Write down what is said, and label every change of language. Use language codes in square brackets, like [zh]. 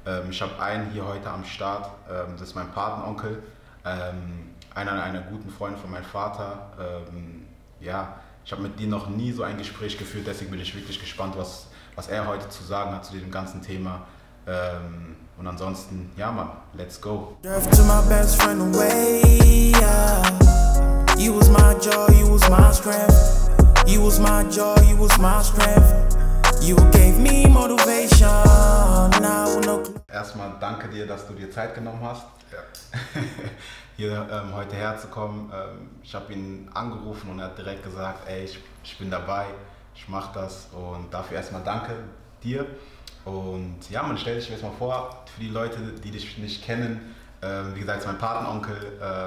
[de] Ich habe einen hier heute am Start, das ist mein Patenonkel, einer guten Freund von meinem Vater. Ja, ich habe mit dir noch nie so ein Gespräch geführt, deswegen bin ich wirklich gespannt, was er heute zu sagen hat zu dem ganzen Thema. Und ansonsten, ja Mann, [en] let's go. Drift to my best friend away, yeah. You was my joy, you was my strength. You was my joy, you was my strength. You gave me motivation, now no clue. [de] Erstmal danke dir, dass du dir Zeit genommen hast, ja. Hier heute herzukommen. Ich habe ihn angerufen und er hat direkt gesagt, ey, ich bin dabei, ich mach das. Und dafür erstmal danke dir. Und ja, man stellt sich erstmal vor, für die Leute, die dich nicht kennen, wie gesagt, ist mein Patenonkel.